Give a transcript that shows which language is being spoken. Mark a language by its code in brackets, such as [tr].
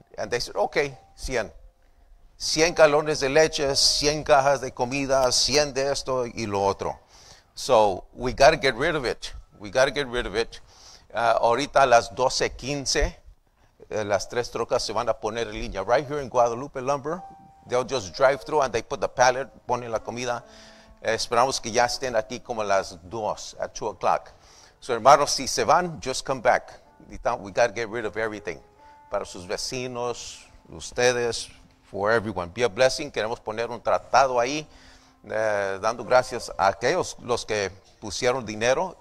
[en] And they said, okay, 100. [es] 100 galones de leche, 100 cajas de comida, 100 de esto y lo otro. [en] So, we got to get rid of it. We got to get rid of it. [es] Ahorita a las 12:15, las tres trocas se van a poner en línea. [en] Right here in Guadalupe Lumber, they'll just drive through and they put the pallet, [es] ponen la comida. Esperamos que ya estén aquí como a las 2, [en] at 2 o'clock. So, hermanos, [es] si se van, [en] just come back. We got to get rid of everything. [es] Para sus vecinos, ustedes, [en] for everyone. Be a blessing. [es] Queremos poner un tratado ahí, dando gracias a aquellos los que pusieron dinero.